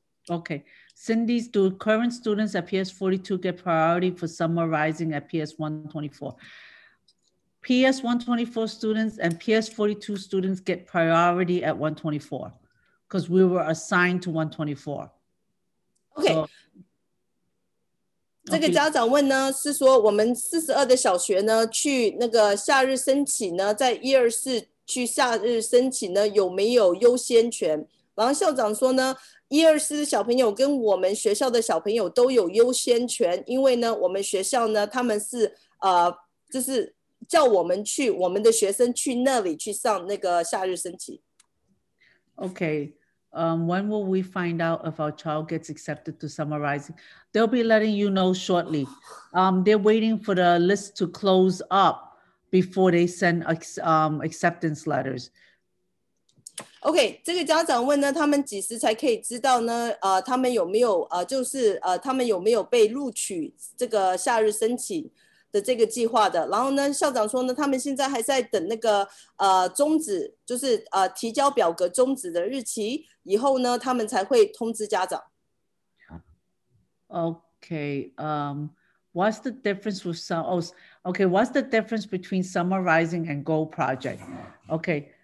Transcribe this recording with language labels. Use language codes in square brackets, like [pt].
[en] Okay. Cindy's, do current students at PS 42 get priority for summer rising at PS 124? PS 124 students and PS 42 students get priority at 124 because we were assigned to 124. Okay. [zh] So, 这个家长问呢是说我们42的小学呢去那个夏日申请呢在124去夏日申请呢有没有优先权然后校长说呢一二四的小朋友跟我们学校的小朋友都有优先权因为呢我们学校呢他们是就是叫我们去我们的学生去那里去上那个夏日申请 [en] Okay, when will we find out if our child gets accepted to summer rising? They'll be letting you know shortly. They're waiting for the list to close up before they send acceptance letters. [zh] OK, 这个家长问呢他们几时才可以知道呢他们有没有就是他们有没有被录取这个夏日申请的这个计划的然后呢校长说呢他们现在还在等那个终止就是提交表格终止的日期以后呢他们才会通知家长。 [en] OK, what's the difference with what's the difference between Summer Rising and Goal Project? OK.